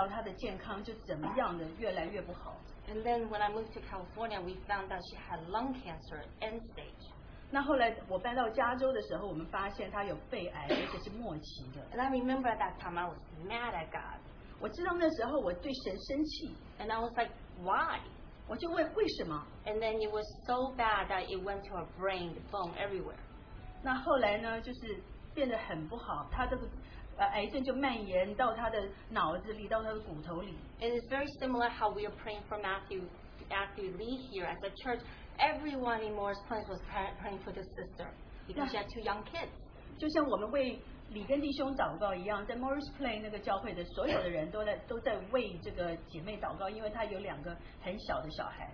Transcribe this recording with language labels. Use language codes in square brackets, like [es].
[zh] 后来呢，她实在是受了太多的苦，因为在这10年之中，我们看到她的健康就怎么样的越来越不好。 [en] And then when I moved to California, we found that she had lung cancer end stage. [zh] 那后来我搬到加州的时候，我们发现她有肺癌，而且是末期的。 [en] And I remember that time I was mad at God. [zh] 我知道那时候我对神生气。 [en] And I was like, why? [zh] 我就问为什么。 [en] And then it was so bad that it went to her brain, the bone, everywhere. [zh] 那后来呢，就是变得很不好，她这个癌症就蔓延到她的脑子里，到她的骨头里。 [en] And it's very similar how we are praying for Matthew Lee here at the church. Everyone in Morris Plains was praying for the sister because she had two young kids. [zh] 就像我们为李根弟兄祷告一样，在 Morris Plain 那个教会的所有的人都在为这个姐妹祷告，因为她有两个很小的小孩。